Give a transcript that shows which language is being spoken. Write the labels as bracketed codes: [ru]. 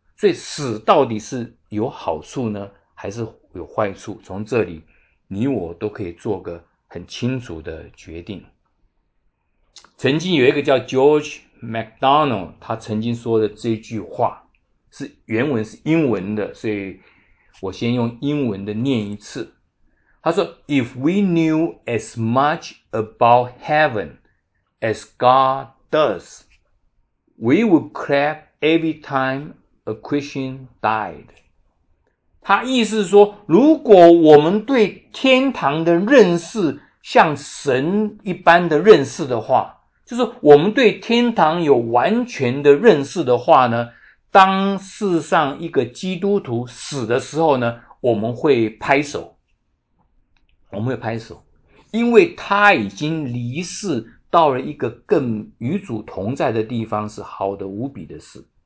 [zh] 所以死到底是有好处呢，还是有坏处？从这里，你我都可以做个很清楚的决定。曾经有一个叫 George MacDonald， 他曾经说的这句话是原文是英文的，所以我先用英文的念一次。他说 [en] If we knew as much about heaven as God does, we would clap every time a Christian died。 [zh] 他意思是说，如果我们对天堂的认识像神一般的认识的话，就是我们对天堂有完全的认识的话呢，当世上一个基督徒死的时候呢，我们会拍手，我们会拍手，因为他已经离世到了一个更与主同在的地方，是好的无比的事。